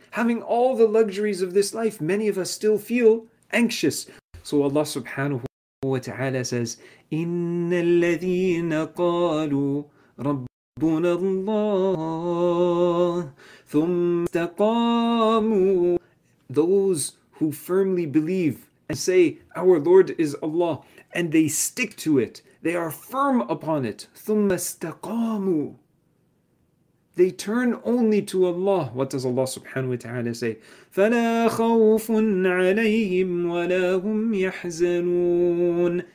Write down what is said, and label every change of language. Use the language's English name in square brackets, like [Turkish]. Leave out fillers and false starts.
[English] Having all the luxuries of this life, many of us still feel anxious. So Allah subhanahu wa ta'ala says, [Arabic] إِنَّ الَّذِينَ قَالُوا رَبُّنَ اللَّهِ ثُمَّ اسْتَقَامُوا. [English] Those who firmly believe and say, our Lord is Allah, and they stick to it, they are firm upon it. [Arabic] ثُمَّ اسْتَقَامُوا. [English] They turn only to Allah. What does Allah subhanahu wa ta'ala say? [Arabic] فَلَا خَوْفٌ عَلَيْهِمْ وَلَا هُمْ يَحْزَنُونَ.